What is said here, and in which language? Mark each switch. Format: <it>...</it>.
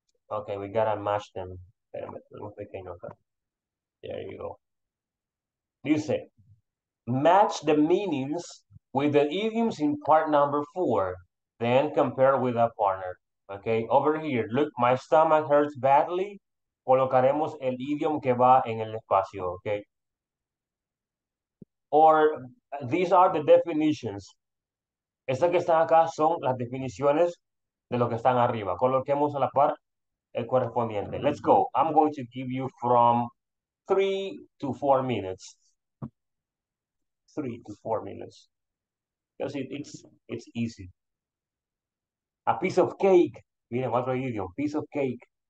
<en>Okay, we gotta match them. There you go. You say, match the meanings with the idioms in part number four, then compare with a partner. Okay, over here. Look, my stomach hurts badly.</en> <es>Colocaremos el idiom que va en el espacio, okay?</es> <en>Or, these are the definitions.</en> <es>Estas que están acá son las definiciones de lo que están arriba. Coloquemos a la par el correspondiente.</es> <en>Let's go. I'm going to give you from 3 to 4 minutes. 3 to 4 minutes. Because it's easy. A piece of cake.</en> <es>Miren, otro</es> <en>idiom. Piece of cake.</en>